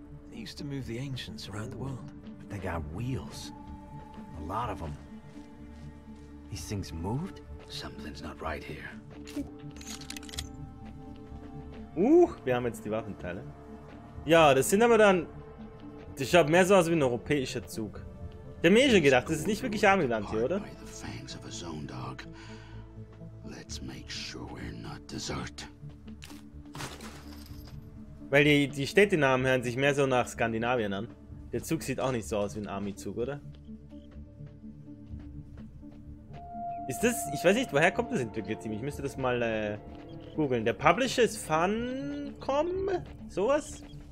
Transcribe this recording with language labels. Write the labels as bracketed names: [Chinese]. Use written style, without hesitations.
[English] They used to move the ancients around the world. But they got wheels. A lot of them. These things moved? Something's not right here. [German] Wir haben jetzt die Waffenteile. Ja, das sind aber dann... Das schaut mehr so aus wie ein europäischer Zug. Ich hab mir schon gedacht, das ist nicht wirklich Armyland hier, oder? [English] The fangs of a zone dog. Let's make sure we're not desert. [German] Weil die Städtenamen hören sich mehr so nach Skandinavien an. Der Zug sieht auch nicht so aus wie ein Army-Zug, oder? Ist das... Ich weiß nicht, woher kommt das Entwicklerteam? Ich müsste das mal googeln. Der Publisher ist Funcom? Sowas?